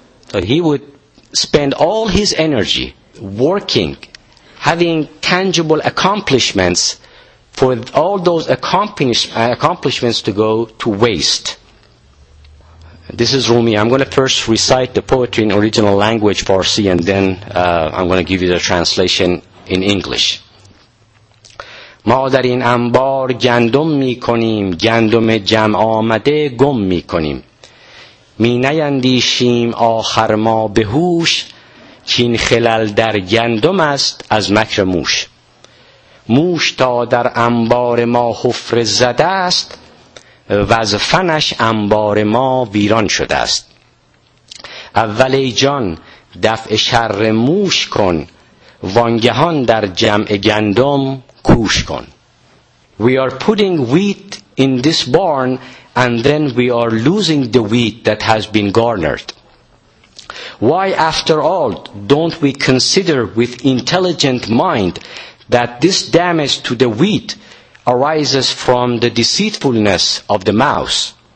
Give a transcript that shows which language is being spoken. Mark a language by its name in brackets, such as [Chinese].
[English] So he would spend all his energy working, having tangible accomplishments, for all those accomplishments to go to waste. This is Rumi. I'm going to first recite the poetry in original language, Farsi, and then I'm going to give you the translation in English. [Persian] ما در این انبار گندم می کنیم، گندم جمع آمده گم می کنیم. می نیندیشیم آخر ما به هوش، کین خلل در گندم است از مکر موش. موش تا در انبار ما حفره زده است، وزفنش انبار ما ویران شده است. اول ای جان دفع شر موش کن وانگهان در جمع گندم کوش کن. [English] We are putting wheat in this barn and then we are losing the wheat that has been garnered. Why after all don't we consider with intelligent mind that this damage to the wheat arises from the deceitfulness of the mouse?